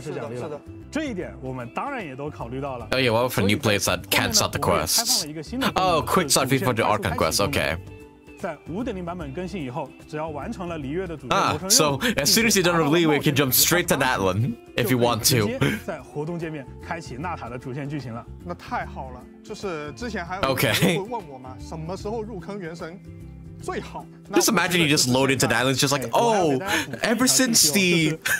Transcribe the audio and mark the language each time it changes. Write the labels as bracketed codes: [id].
[zh] 有什么样的安排？那Michael，你的意思是说，假如我是一个初来乍到的旅行者，对的，我没有办法第一时间体会到这些任务，那我就拿不到对应的原始奖励了。这一点我们当然也都考虑到了。 [en] Oh yeah, well, for new players that can't start the quest. Oh, quick start before the Archon quest. Okay. [zh] 在5.0版本更新以后，只要完成了璃月的主线， [en] so as soon as you done with Liyue, you can jump straight to Natlan if you want to. [zh] 就是之前还有人会问我嘛，什么时候入坑原神？ [en] Just imagine you just load into Natlan, it's just like, oh, ever since the...